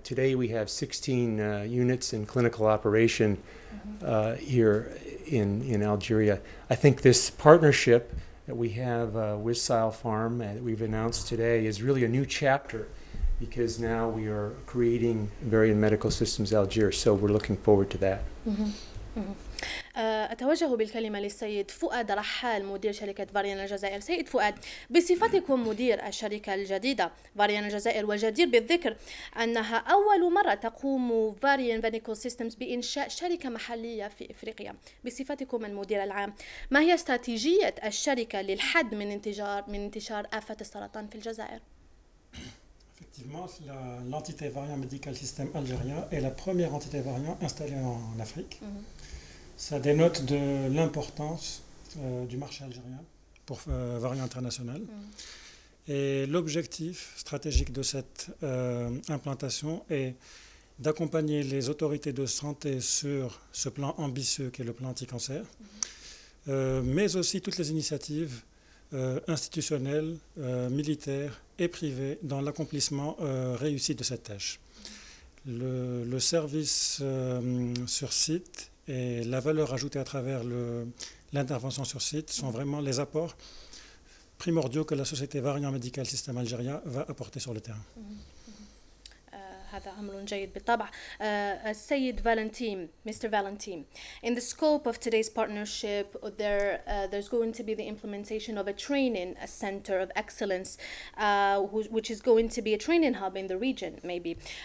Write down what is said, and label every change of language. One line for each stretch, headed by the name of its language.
English: Today we have 16 units in clinical operation here in Algeria. I think this partnership that we have with Sile Farm that we've announced today is really a new chapter, because now we are creating Varian Medical Systems Algiers, so we're looking forward to that.
Arabic: أتوجه بالكلمة للسيد فؤاد رحال مدير شركة فاريان الجزائر. سيد فؤاد، بصفتكم مدير الشركة الجديدة فاريان الجزائر، والجدير بالذكر أنها أول مرة تقوم فاريان فانيكول سيستمز بإنشاء شركة محلية في إفريقيا، بصفتكم المدير العام، ما هي استراتيجية الشركة للحد من انتشار آفة السرطان في الجزائر؟
French: Effectivement, l'entité Varian Medical System Algérien est la première entité Varian installée en Afrique. Ça dénote de l'importance du marché algérien pour Varian International. Et l'objectif stratégique de cette implantation est d'accompagner les autorités de santé sur ce plan ambitieux qu'est le plan anti-cancer, mais aussi toutes les initiatives institutionnelles, militaires et privées dans l'accomplissement réussi de cette tâche. Le service sur site et la valeur ajoutée à travers l'intervention sur site sont vraiment les apports primordiaux que la société Varian Medical System Algeria va apporter sur le terrain.
Arabic: هذا أمر جيد بالطبع.
English: السيد Valentin, mister Valentin, in the scope of today's partnership, there's going to be the implementation of a training, a center of excellence, which is going to be a training hub in the region, maybe.